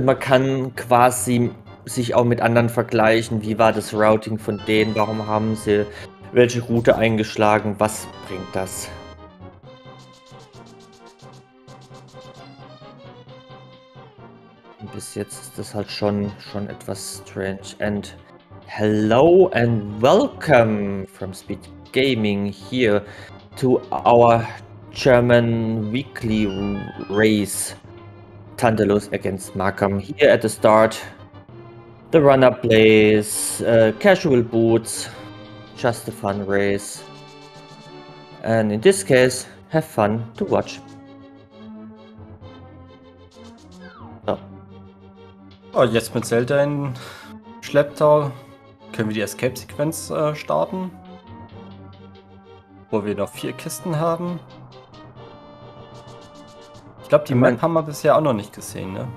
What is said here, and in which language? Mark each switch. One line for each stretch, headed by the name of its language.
German: Man kann quasi sich auch mit anderen vergleichen. Wie war das Routing von denen? Warum haben sie welche Route eingeschlagen? Was bringt das? Bis jetzt ist das halt schon etwas strange.
English: And hello and welcome from Speed Gaming here to our German weekly race. Tandalus against Makam here at the start. The runner plays casual boots, just a fun race. And in this case, have fun to watch.
German: Oh, jetzt mit Zelda in Schlepptau können wir die Escape-Sequenz starten, wo wir noch 4 Kisten haben. Ich glaube, die Map haben wir bisher auch noch nicht gesehen, ne?